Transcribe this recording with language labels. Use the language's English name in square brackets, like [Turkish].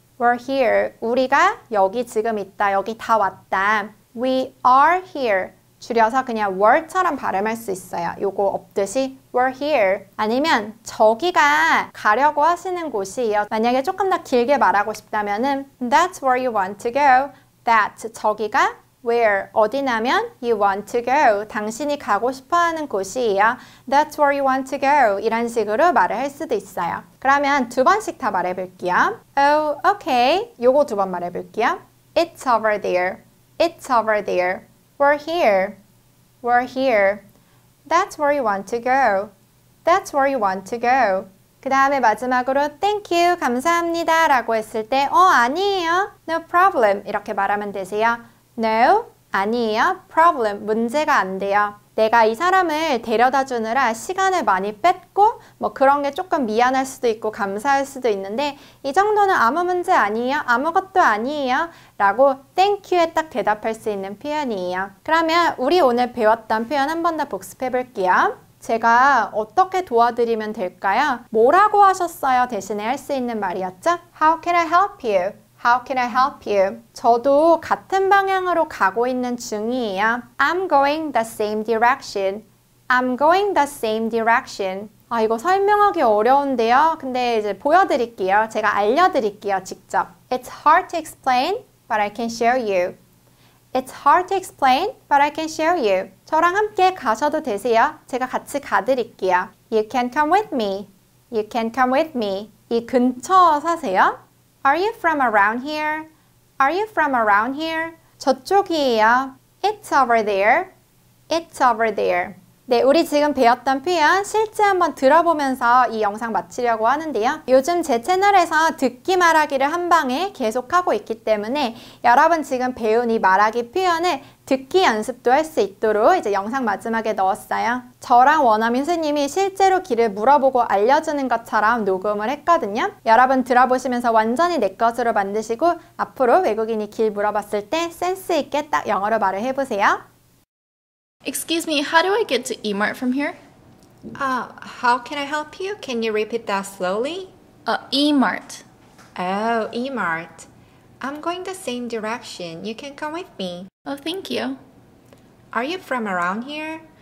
[English] We're here. [Korean] 우리가 여기 지금 있다. 여기 다 왔다. [English] We are here. [Korean] 줄여서 그냥 were처럼 발음할 수 있어요. 요거 없듯이 [English] we're here. [Korean] 아니면 저기가 가려고 하시는 곳이에요. 만약에 조금 더 길게 말하고 싶다면은 [English] that's where you want to go. that's [Korean] 저기가 [English] where [Korean] 어디냐면 [English] you want to go. [Korean] 당신이 가고 싶어하는 곳이에요. [English] that's where you want to go. [Korean] 이런 식으로 말을 할 수도 있어요. 그러면 두 번씩 다 말해볼게요. [English] oh, okay. [Korean] 요거 두 번 말해볼게요. [English] it's over there. it's over there. We're here. We're here. That's where you want to go. That's where you want to go. [Korean] 그 다음에 마지막으로 thank you, 감사합니다 라고 했을 때 어, 아니에요, [English] no problem [Korean] 이렇게 말하면 되세요. No, 아니에요, problem, 문제가 안 돼요. 내가 이 사람을 데려다 주느라 시간을 많이 뺐고 뭐 그런 게 조금 미안할 수도 있고 감사할 수도 있는데 이 정도는 아무 문제 아니에요, 아무것도 아니에요 라고 thank you에 딱 대답할 수 있는 표현이에요. 그러면 우리 오늘 배웠던 표현 한 번 더 복습해 볼게요. 제가 어떻게 도와드리면 될까요? 뭐라고 하셨어요? 대신에 할 수 있는 말이었죠? [English] How can I help you? How can I help you? [Korean] 저도 같은 방향으로 가고 있는 중이에요. [English] I'm going the same direction. I'm going the same direction. [Korean] 아, 이거 설명하기 어려운데요. 근데 이제 보여드릴게요. 제가 알려드릴게요, 직접. [English] It's hard to explain, but I can show you. It's hard to explain, but I can show you. [Korean] 저랑 함께 가셔도 되세요. 제가 같이 가드릴게요. [English] You can come with me. You can come with me. [Korean] 이 근처 사세요? [English] Are you from around here? Are you from around here? [Korean] 저쪽이에요. [English] It's over there. It's over there. [Korean] 네, 우리 지금 배웠던 표현 실제 한번 들어보면서 이 영상 마치려고 하는데요. 요즘 제 채널에서 듣기 말하기를 한 방에 계속하고 있기 때문에 여러분 지금 배운 이 말하기 표현을 듣기 연습도 할 수 있도록 이제 영상 마지막에 넣었어요. 저랑 원아미 선생님이 실제로 길을 물어보고 알려주는 것처럼 녹음을 했거든요. 여러분 들어보시면서 완전히 내 것으로 만드시고 앞으로 외국인이 길 물어봤을 때 센스 있게 딱 영어로 말을 해보세요. [English] Excuse me, how do I get to E-Mart from here? How can I help you? Can you repeat that slowly? E-Mart. Oh, E-Mart. I'm going the same direction. You can come with me. Oh, thank you. Are you from around here?